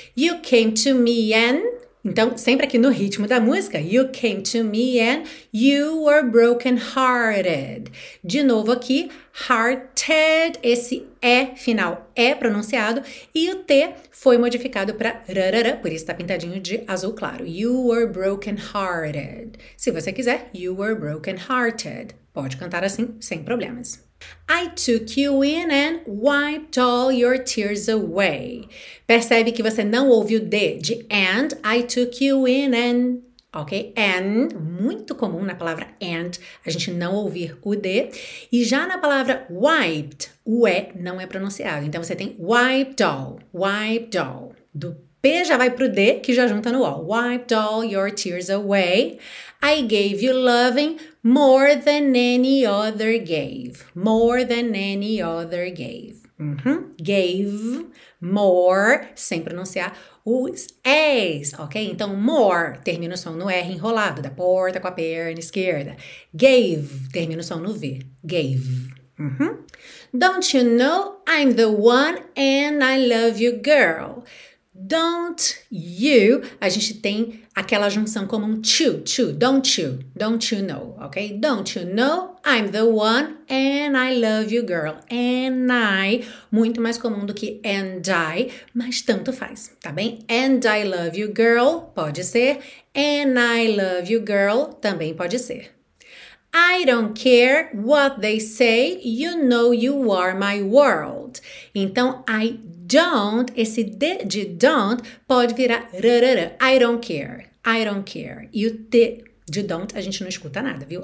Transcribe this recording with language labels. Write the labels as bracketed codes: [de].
[en] You came to me and. [pt] Então, sempre aqui no ritmo da música, [en] you came to me and you were broken-hearted. [pt] De novo aqui, hearted, esse E final é pronunciado e o T foi modificado para rarara, por isso está pintadinho de azul claro. [en] You were broken-hearted. [pt] Se você quiser, [en] you were broken-hearted. [pt] Pode cantar assim, sem problemas. [en] I took you in and wiped all your tears away. [pt] Percebe que você não ouviu de and [en] I took you in and, [pt] ok? And, muito comum na palavra and, a gente não ouvir o de. E já na palavra wiped, o e não é pronunciado. Então você tem wiped all, do P já vai pro D, que já junta no O. [en] Wiped all your tears away. I gave you loving more than any other gave. More than any other gave. Gave more, [pt] sem pronunciar os E's, ok? Então, more, termina o som no R enrolado, da porta com a perna esquerda. Gave, termina o som no V. Gave. [en] Don't you know I'm the one and I love you, girl? [pt] Don't you, a gente tem aquela junção como um to, [en] don't you know, [pt] ok? [en] Don't you know I'm the one and I love you, girl. [pt] And I, muito mais comum do que and I, mas tanto faz, tá bem? [en] And I love you, girl, [pt] pode ser. [en] And I love you, girl, [pt] também pode ser. [en] I don't care what they say, you know you are my world. [pt] Então, I don't, esse D de don't pode virar rarara. [en] I don't care, I don't care. [pt] E o T de don't a gente não escuta nada, viu?